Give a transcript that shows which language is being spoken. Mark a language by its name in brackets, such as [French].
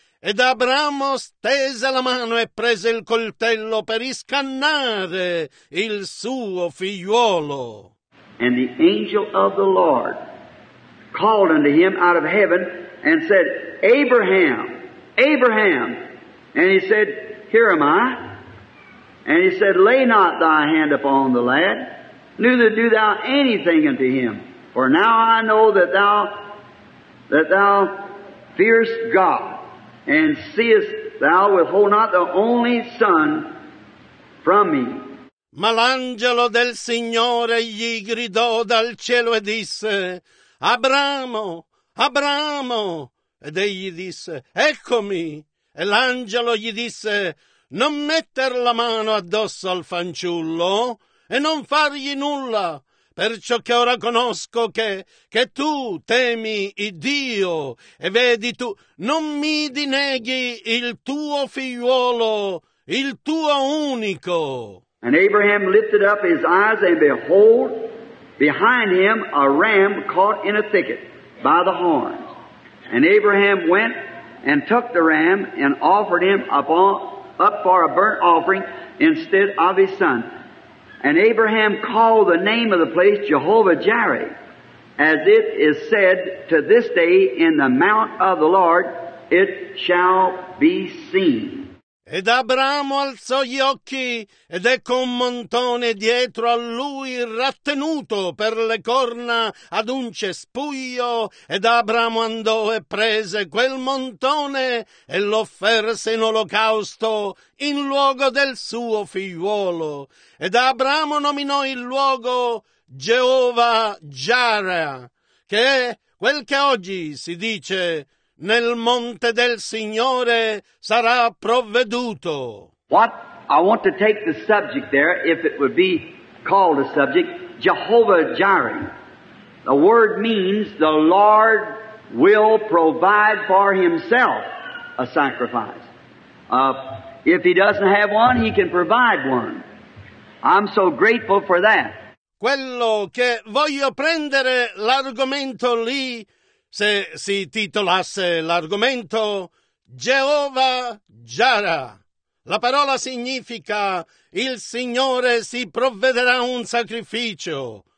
[Italian] Ed Abramo stese la mano e prese il coltello per iscannare il suo figliuolo. [English] And the angel of the Lord called unto him out of heaven and said, Abraham, Abraham. And he said, here am I. And he said, lay not thy hand upon the lad, neither do thou anything unto him. For now I know that thou fearest God, and seest thou withhold not the only son from me. [Italian] Ma l'angelo del Signore gli gridò dal cielo e disse, Abramo, Abramo! Ed egli disse, eccomi! E l'angelo gli disse, non metter la mano addosso al fanciullo e non fargli nulla, perciò che ora conosco che tu temi il Dio e vedi tu, non mi dineghi il tuo figliuolo, il tuo unico. [English] And Abraham lifted up his eyes and behold, behind him a ram caught in a thicket by the horns. And Abraham went and took the ram and offered him up for a burnt offering instead of his son. And Abraham called the name of the place Jehovah Jireh, as it is said, to this day in the mount of the Lord it shall be seen. [Italian] Ed Abramo alzò gli occhi, ed ecco un montone dietro a lui rattenuto per le corna ad un cespuglio, ed Abramo andò e prese quel montone e lo offerse in olocausto in luogo del suo figliuolo. Ed Abramo nominò il luogo Geova Jara, che è quel che oggi si dice nel monte del Signore sarà provveduto. [English] What I want to take the subject there, if it would be called a subject, Jehovah Jireh. The word means the Lord will provide for himself a sacrifice. If he doesn't have one, he can provide one. I'm so grateful for that. [Italian] Quello che voglio prendere l'argomento lì, se si titolasse l'argomento Geova Giara, la parola significa il Signore si provvederà un sacrificio.